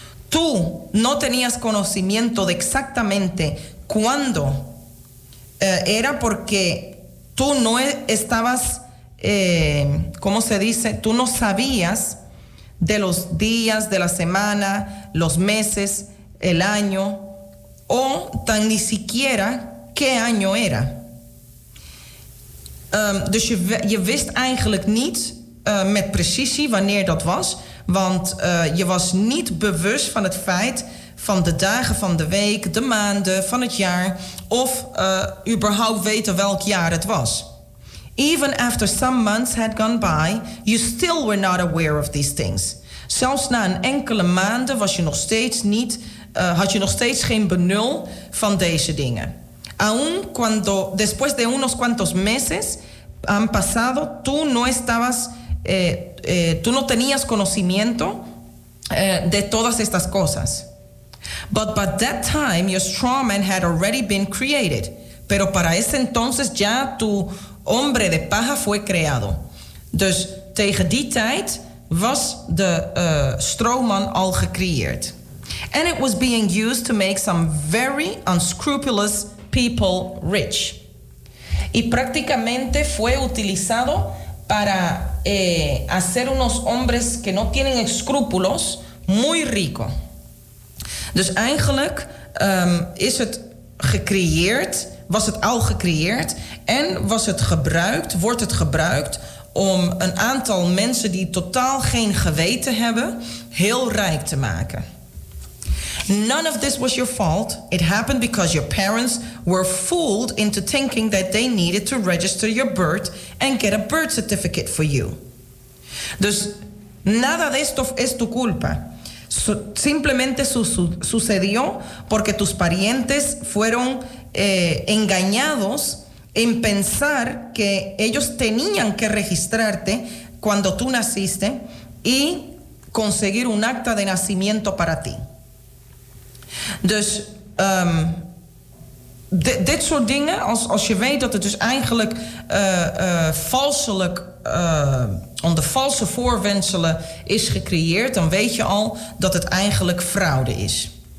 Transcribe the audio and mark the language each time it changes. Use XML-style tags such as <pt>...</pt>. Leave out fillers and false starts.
<es>Tú no tenías conocimiento de exactamente cuándo era porque tú no estabas, ¿cómo se dice? Tú no sabías de los días, de la semana, los meses, el año, o tan ni siquiera qué año era.</es> <nl>Dus je wist eigenlijk niet met precisie wanneer dat was, want je was niet bewust van het feit van de dagen van de week, de maanden, van het jaar, of überhaupt weten welk jaar het was.</nl> <en>Even after some months had gone by, you still were not aware of these things.</en> <nl>Zelfs na een enkele maanden was je nog steeds niet, had je nog steeds geen benul van deze dingen.</nl> <es>Aún cuando, después de unos cuantos meses han pasado, tú no estabas, tú no tenías conocimiento de todas estas cosas.</es> <en>But by that time, your straw man had already been created.</en> <es>Pero para ese entonces ya tu hombre de paja fue creado.</es> <nl>Dus tegen die tijd was de stroomman al gecreëerd.</nl> <en>And it was being used to make some very unscrupulous people rich.</en> <es>Y prácticamente fue utilizado para hacer unos hombres que no tienen escrúpulos muy rico.</es> <nl>Dus eigenlijk is het gecreëerd, was het al gecreëerd en was het gebruikt, wordt het gebruikt om een aantal mensen die totaal geen geweten hebben heel rijk te maken.</nl> <en>None of this was your fault. It happened because your parents were fooled into thinking that they needed to register your birth and get a birth certificate for you.</en> <es>Dus nada de esto es tu culpa. Simplemente sucedió porque tus parientes fueron engañados en pensar que ellos tenían que registrarte cuando tú naciste y conseguir un acta de nacimiento para ti.</es> <nl>Dus dit soort dingen, als je weet dat het dus eigenlijk valselijk onder valse voorwenselen is gecreëerd, dan weet je al dat het eigenlijk fraude is.</nl>